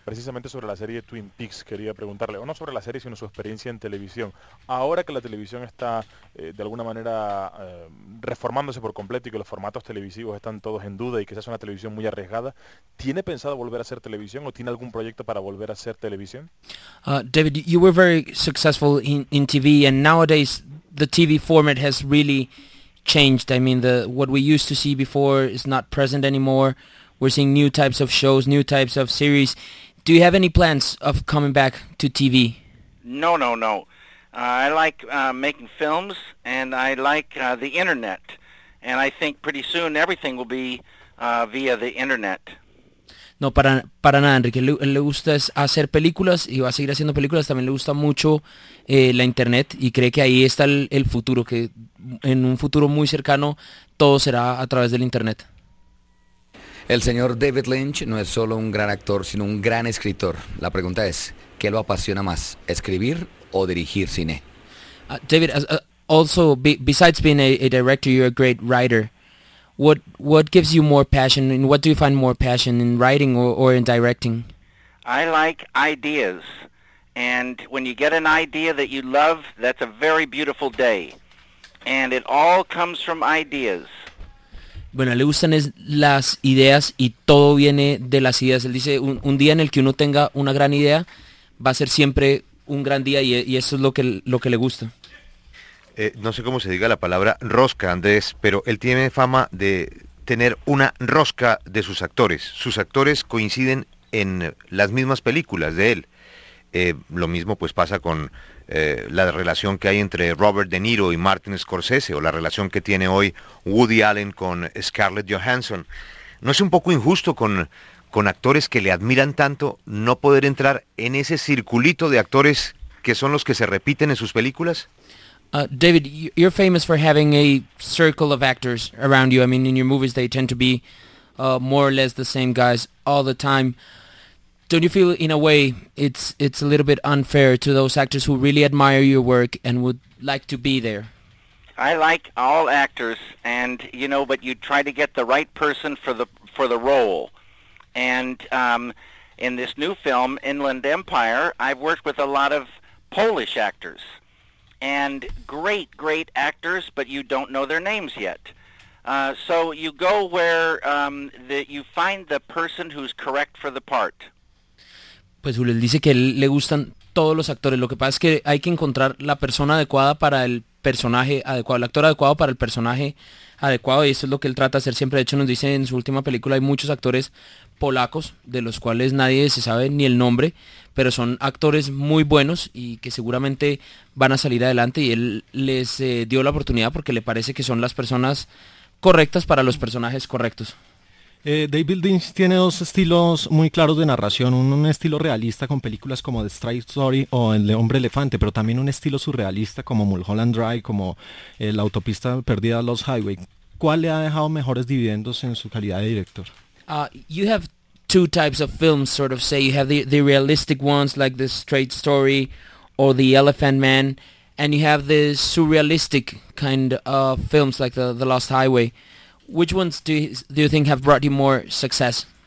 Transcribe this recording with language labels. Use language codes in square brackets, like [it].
[es] Precisamente sobre la serie Twin Peaks quería preguntarle, o no sobre la serie, sino su experiencia en televisión. Ahora que la televisión está de alguna manera reformándose por completo y que los formatos televisivos están todos en duda y quizás es una televisión muy arriesgada, ¿tiene pensado volver a hacer televisión o tiene algún proyecto para volver a hacer televisión? [en] David, you were very successful in TV, and nowadays the TV format has really changed. I mean, what we used to see before is not present anymore. We're seeing new types of shows, new types of series. Do you have any plans of coming back to TV? No. I like making films, and I like the internet. And I think pretty soon everything will be via the internet. [es] No, para nada, Enrique. Le gusta hacer películas y va a seguir haciendo películas. También le gusta mucho la internet y cree que ahí está el futuro, que en un futuro muy cercano todo será a través del internet. El señor David Lynch no es solo un gran actor, sino un gran escritor. La pregunta es, ¿qué lo apasiona más, escribir o dirigir cine? [en] David, also besides being a director, you're a great writer. What gives you more passion, and what do you find more passion in writing or in directing? I like ideas, and when you get an idea that you love, that's a very beautiful day, and it all comes from ideas. [es] Bueno, le gustan es las ideas y todo viene de las ideas. Él dice, un día en el que uno tenga una gran idea, va a ser siempre un gran día y eso es lo que le gusta. No sé cómo se diga la palabra rosca, Andrés, pero él tiene fama de tener una rosca de sus actores. Sus actores coinciden en las mismas películas de él. Lo mismo pues pasa con la relación que hay entre Robert De Niro y Martin Scorsese, o la relación que tiene hoy Woody Allen con Scarlett Johansson. ¿No es un poco injusto con actores que le admiran tanto no poder entrar en ese circulito de actores que son los que se repiten en sus películas? [en] David, you're famous for having a circle of actors around you. I mean, in your movies, they tend to be more or less the same guys all the time. Don't you feel, in a way, it's a little bit unfair to those actors who really admire your work and would like to be there? I like all actors, and you know, but you try to get the right person for the role. And in this new film, Inland Empire, I've worked with a lot of Polish actors. And great, great actors, but you don't know their names yet. So you go where you find the person who's correct for the part. [es] Pues Julio dice que le gustan todos los actores. Lo que pasa es que hay que encontrar la persona adecuada para el personaje adecuado, el actor adecuado para el personaje adecuado, y eso es lo que él trata de hacer siempre. De hecho, nos dice en su última película, hay muchos actores polacos, de los cuales nadie se sabe ni el nombre, pero son actores muy buenos y que seguramente van a salir adelante, y él les dio la oportunidad porque le parece que son las personas correctas para los personajes correctos. David Lynch tiene dos estilos muy claros de narración, un estilo realista con películas como The Strike Story o El Hombre Elefante, pero también un estilo surrealista como Mulholland Drive, como La Autopista Perdida, Lost Highway. ¿Cuál le ha dejado mejores dividendos en su calidad de director? [en] You have two types of films, sort of say. You have the realistic ones like The Strike Story or The Elephant Man, and you have the surrealistic kind of films like The Lost Highway. Which ones do you think have brought you more success?